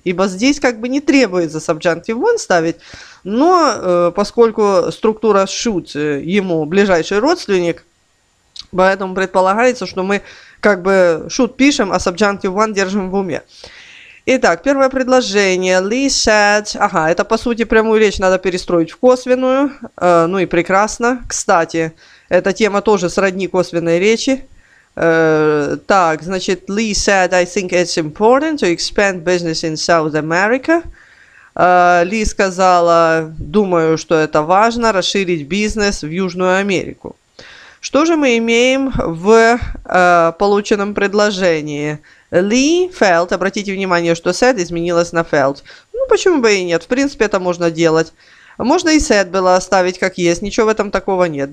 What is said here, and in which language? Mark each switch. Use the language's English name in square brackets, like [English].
[Russian] Ибо здесь как бы не требуется subjunctive one ставить, но поскольку структура should ему ближайший родственник, поэтому предполагается, что мы как бы should пишем, а subjunctive one держим в уме. Итак, первое предложение. [English] Lee said... [Russian] Ага, это по сути прямую речь надо перестроить в косвенную. Ну и прекрасно. Кстати, эта тема тоже сродни косвенной речи. Так, значит, [English] Lee said, I think it's important to expand business in South America. [Russian] Lee сказала, думаю, что это важно, расширить бизнес в Южную Америку. Что же мы имеем в полученном предложении? Lee felt, обратите внимание, что said изменилось на felt. Ну, почему бы и нет, в принципе, это можно делать. Можно и said было оставить как есть, ничего в этом такого нет.